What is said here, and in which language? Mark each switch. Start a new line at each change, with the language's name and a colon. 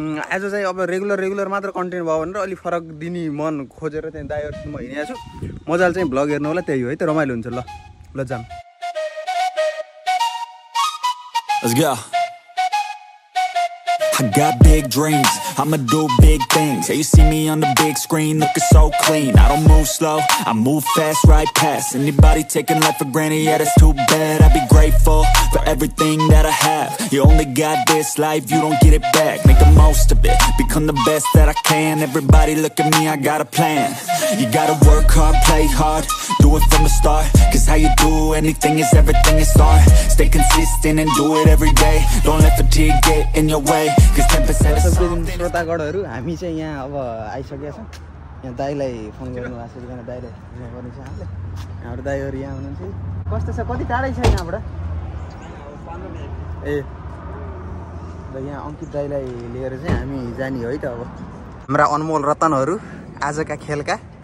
Nepali: As a चाहिँ अब regular regular मात्र कन्टेन्ट भयो भनेर अलिक फरक दिने मन खोजेर त्यहाँदेखि दाईहरूसँग हिँडिरहेको छु मजाले चाहिँ भ्लग हेर्नु होला त्यही हो है त रमाइलो हुन्छ ल ल जाम
English: I got big dreams, I'ma do big things. Hey, you see me on the big screen, looking so clean. I don't move slow, I move fast, right past. Anybody taking life for granted, yeah, that's too bad. I'd be grateful for everything that I have. You only got this life, you don't get it back. Make the most of it, become the best that I can. Everybody look at me, I got a plan. You gotta work hard, play hard, do it from the start. Cause how you do anything is everything you start. Stay consistent and do it every day. Don't let fatigue get in your way.
Nepali: श्रोतागढहरू हामी चाहिँ यहाँ अब आइसकेका छौँ यहाँ दाईलाई phone गर्नु भएको छ एकजना दाईले गर्नु छ हामीले हाम्रो दाईहरू यहाँ हुनुहुन्छ कस्तो छ कति टाढै छ यहाँबाट ए र यहाँ अङ्कित दाईलाई लिएर चाहिँ हामी जाने है त अब हाम्रा अनमोल रत्नहरू आजका खेलका